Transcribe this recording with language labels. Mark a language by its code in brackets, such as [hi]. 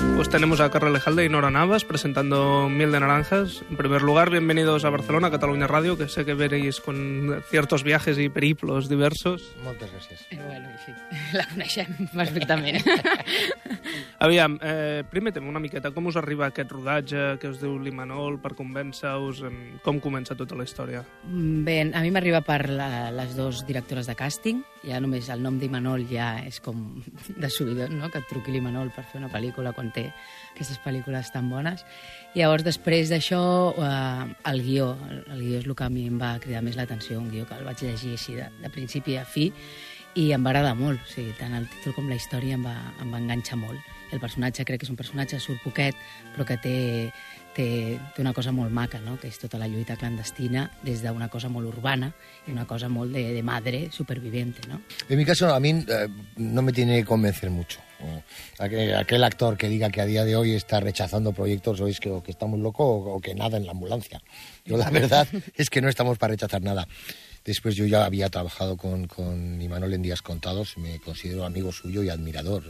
[es] Tenemos a Carles Halde y Nora Navas presentando Miel de Naranjas. En primer lugar, bienvenidos a Barcelona, Catalunya Radio, que sé que veréis con ciertos viajes y periplos diversos. [ca] Moltes gràcies. Bueno, sí, la coneixem perfectament. Aviam, primer tema, una miqueta, com us arriba aquest rodatge, que us diu l'Imanol, per convèncer-vos, com comença tota la història? Bé, a mi m'arriba per les dues directores de càsting, ja només el nom d'Imanol ja és com de subidor, no?, que et truqui l'Imanol per fer una pel·lícula quan té aquestes pel·lícules tan bones. I llavors, després d'això, el guió és el que a mi em va cridar més l'atenció, un guió que el vaig llegir així de principi a fi, i em va agradar molt, o sigui, tant el títol com la història em va enganxar molt. El personatge, crec que és un personatge, surt poquet, però que té una cosa molt maca, no?, que és tota la lluita clandestina des d'una cosa molt urbana i una cosa molt de [es] madre superviviente, [ca] no? [es] En mi caso, a mí no me tiene que convencer mucho. Aquel actor que diga que a día de hoy está rechazando proyectos, o es que está muy loco o que nada en la ambulancia. Yo la verdad es que no estamos para rechazar nada. Después yo ya había trabajado con Imanol en Días Contados, me considero amigo suyo y admirador.